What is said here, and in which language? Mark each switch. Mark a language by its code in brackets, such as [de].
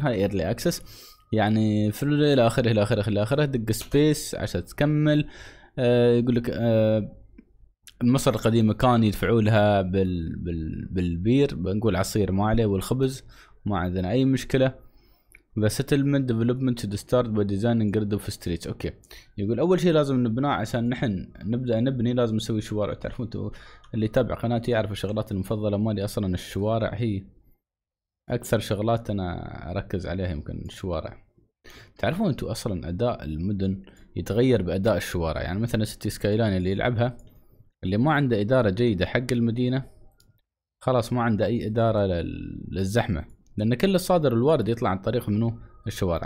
[ar] هاي ايرلي اكسس يعني في الى اخره الى اخره الى اخره. دق سبيس عشان تكمل. يقول لك مصر القديمه كان يدفعوا لها بالبير، بنقول عصير ما عليه، والخبز ما عندنا اي مشكله. [en] The settlement development should start by designing grid of streets. [ar] اوكي. يقول اول شيء لازم نبناء عشان نحن نبدا نبني، لازم نسوي شوارع. تعرفون اللي تابع قناتي يعرف الشغلات المفضله مالي اصلا الشوارع، هي اكثر شغلات انا اركز عليها يمكن الشوارع. تعرفون انتم اصلا اداء المدن يتغير باداء الشوارع، يعني مثلا سيتي سكايلاين اللي يلعبها اللي ما عنده اداره جيده حق المدينه خلاص ما عنده اي اداره للزحمه، لان كل الصادر الوارد يطلع عن طريق منو الشوارع.